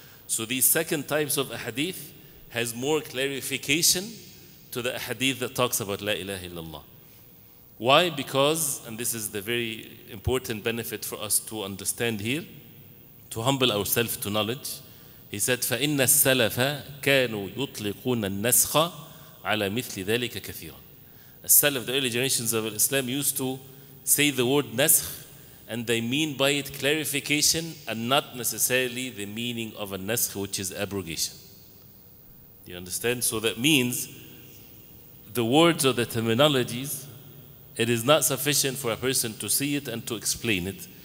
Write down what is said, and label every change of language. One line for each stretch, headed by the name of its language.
English: So these second types of hadith has more clarification to the hadith that talks about La ilaha illallah. Why? Because, and this is the very important benefit for us to understand here, to humble ourselves to knowledge. He said,
Arabic: فَإِنَّ السَّلَفَ كَانُوا يُطْلِقُونَ النَّسْخَ عَلَى مِثْلِ ذَلِكَ كَثِيرًا.
English: As Salaf, the early generations of Islam used to say the word nasakh, and they mean by it clarification and not necessarily the meaning of a nasakh, which is abrogation. You understand? So that means the words or the terminologies, it is not sufficient for a person to see it and to explain it.